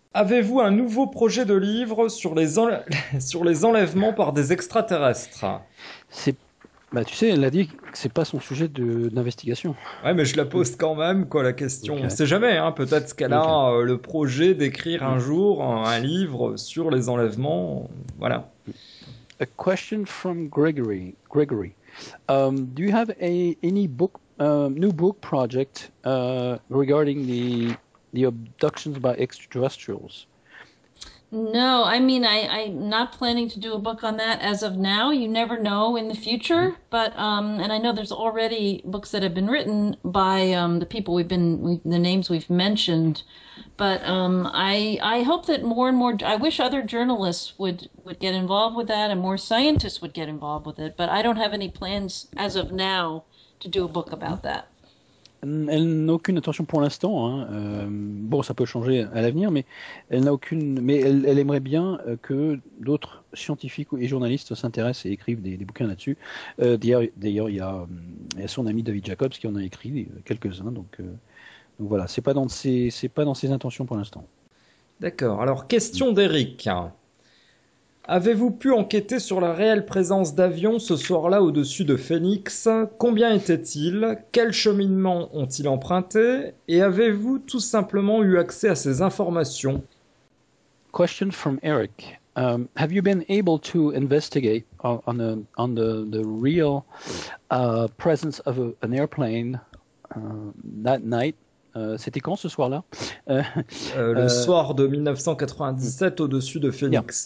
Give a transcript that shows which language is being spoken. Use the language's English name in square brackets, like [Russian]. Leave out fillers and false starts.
[French] Avez-vous un nouveau projet de livre sur les enlèvements par des extraterrestres? Bah, tu sais, elle a dit que c'est pas son sujet d'investigation. Ouais, mais je la pose quand même, quoi, la question. Okay. On sait jamais, hein, peut-être qu'elle a le projet d'écrire un jour un livre sur les enlèvements. Voilà. [English] A question from Gregory. Gregory, do you have any new book project regarding the abductions by extraterrestrials? No, I mean, I'm not planning to do a book on that as of now. You never know in the future, but and I know there's already books that have been written by the names we've mentioned, but I hope that more and more, I wish other journalists would get involved with that, and more scientists would get involved with it, but I don't have any plans as of now to do a book about that. [French] Elle n'a aucune intention pour l'instant, hein. Bon, ça peut changer à l'avenir, mais elle aimerait bien que d'autres scientifiques et journalistes s'intéressent et écrivent des bouquins là-dessus. D'ailleurs, il y a son ami David Jacobs qui en a écrit quelques-uns, donc voilà, c'est pas dans ses intentions pour l'instant. D'accord. Alors, question d'Eric. Avez-vous pu enquêter sur la réelle présence d'avions ce soir-là au-dessus de Phoenix? Combien étaient-ils? Quel cheminement ont-ils emprunté? Et avez-vous tout simplement eu accès à ces informations? [English] Question from Eric. Have you been able to investigate on the real presence of an airplane that night? [French] C'était quand ce soir-là? Le soir de 1997 au-dessus de Phoenix.